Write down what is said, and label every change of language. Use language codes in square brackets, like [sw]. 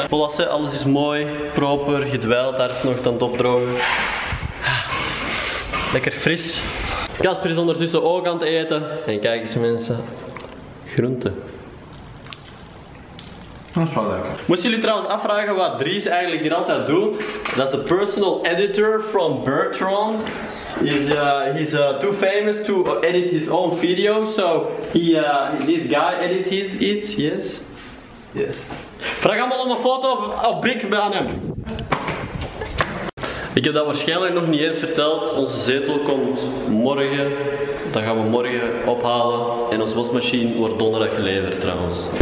[nl] Volasse, alles is mooi, proper, gedweild, daar is nog aan het opdrogen. Lekker fris. Kasper is ondertussen ook aan het eten. En kijk eens mensen, groenten. Dat is wel lekker. Moest jullie trouwens afvragen wat Dries eigenlijk hier altijd doet? Dat is de personal editor van Bertrand. [en] He's too famous to edit his own video, so this guy edit it, yes? Yes. [nl] Vraag allemaal om een foto of big aan hem. Ik heb dat waarschijnlijk nog niet eens verteld. Onze zetel komt morgen. Dat gaan we morgen ophalen. En onze wasmachine wordt donderdag geleverd trouwens.